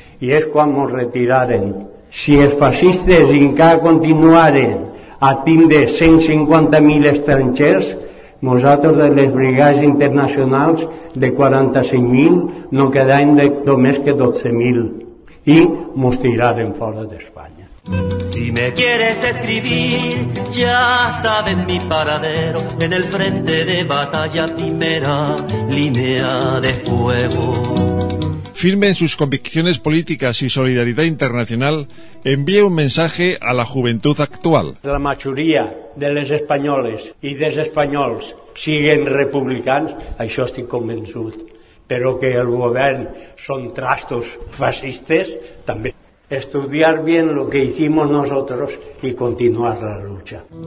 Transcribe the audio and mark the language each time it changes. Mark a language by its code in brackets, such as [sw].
[ca] I és quan ens retiraren. Si els fascistes encara continuaren a tindre 150.000 estrangers, nosaltres de les brigades internacionals de 45.000 no quedaven només que 12.000. [es] Y mostrar en fuera de España. Si me quieres escribir, ya sabes mi paradero, en el frente de batalla, primera línea de fuego. Firme en sus convicciones políticas y solidaridad internacional, envíe un mensaje a la juventud actual. La mayoría de los españoles y de los españoles siguen republicanos, a eso estoy convencido. [ca] Però que el govern són trastos fascistes, també. [es] Estudiar bien lo que hicimos nosotros y continuar la lucha.